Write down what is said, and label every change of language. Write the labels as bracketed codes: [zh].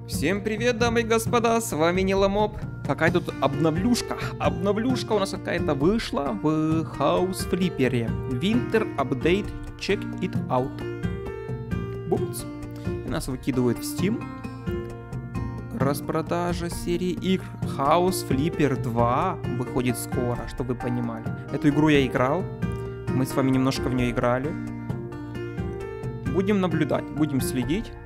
[ru] Всем привет, дамы и господа, с вами Неломоб. Какая тут обновлюшка. Обновлюшка у нас какая-то вышла в House Flipper. [en] Winter Update, check it out. Бумц. [ru] И нас выкидывают в Steam. Распродажа серии игр House Flipper 2 выходит скоро, чтобы вы понимали. Эту игру я играл. Мы с вами немножко в нее играли. Будем наблюдать, будем следить.